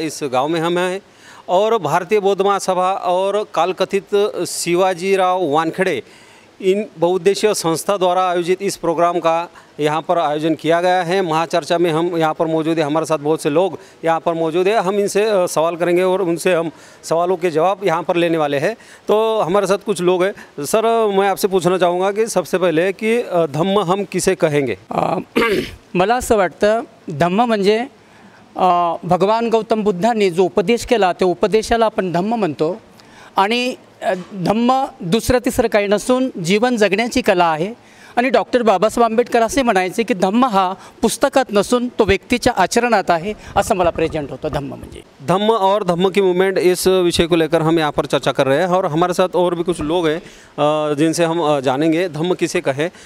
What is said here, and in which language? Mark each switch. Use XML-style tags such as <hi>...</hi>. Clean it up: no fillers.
<hi>इस गांव में हम हैं और भारतीय बौद्ध महासभा और कालकथित शिवाजी राव वानखेड़े इन बहुउद्देशीय संस्था द्वारा आयोजित इस प्रोग्राम का यहाँ पर आयोजन किया गया है। महाचर्चा में हम यहाँ पर मौजूद है, हमारे साथ बहुत से लोग यहाँ पर मौजूद है। हम इनसे सवाल करेंगे और उनसे हम सवालों के जवाब यहाँ पर लेने वाले हैं। तो हमारे साथ कुछ लोग हैं। सर, मैं आपसे पूछना चाहूँगा कि सबसे पहले कि धम्म हम किसे कहेंगे?</hi> <mr>मला असं वाटतं धम्म म्हणजे भगवान गौतम बुद्धांनी जो उपदेश केला त्या उपदेशाला आपण धम्म म्हणतो। आणि धम्म दुसरं तिसरं काही नसून जीवन जगण्याची कला आहे। आणि डॉक्टर बाबासाहेब आंबेडकर असे म्हणायचे की धम्म हा पुस्तकात नसून तो व्यक्तीच्या आचरणात आहे, असं मला प्रेझेंट होतं धम्म म्हणजे।</mr> <hi>धम्म और धम्म की मूवमेंट इस विषय को लेकर हम यहाँ पर चर्चा कर रहे हैं और हमारे साथ और भी कुछ लोग हैं जिनसे हम जानेंगे धम्म किसे कहे।</hi>